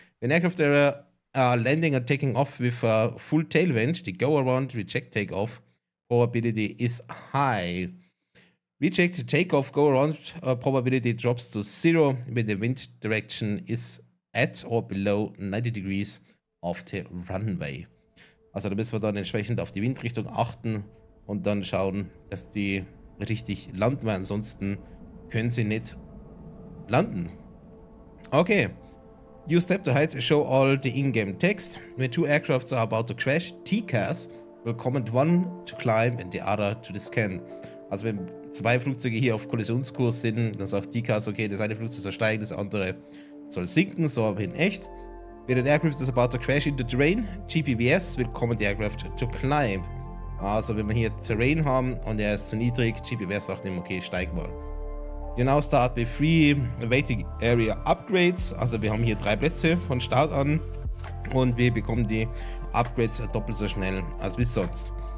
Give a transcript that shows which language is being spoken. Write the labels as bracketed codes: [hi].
[en] When aircraft are landing or taking off with a full tailwind, the go-around reject take-off probability is high. Reject takeoff go around probability drops to zero when the wind direction is at or below 90 degrees of the runway. [de] Also da müssen wir dann entsprechend auf die Windrichtung achten und dann schauen, dass die richtig landen, weil ansonsten können sie nicht landen. [en] Okay. Use step to hide show all the in-game text. When 2 aircrafts are about to crash, TCAS will command one to climb and the other to descend. [de] Also wenn 2 Flugzeuge hier auf Kollisionskurs sind, dann sagt TCAS, okay, das eine Flugzeug soll steigen, das andere soll sinken, so aber in echt. [en] When an aircraft is about to crash into terrain, GPBS will command the aircraft to climb. [de] Also wenn wir hier Terrain haben und er ist zu niedrig, GPBS sagt ihm, okay, steig mal. [en] You now start with 3 waiting area upgrades. [de] Also wir haben hier 3 Plätze von Start an. Und wir bekommen die Upgrades doppelt so schnell als bis sonst.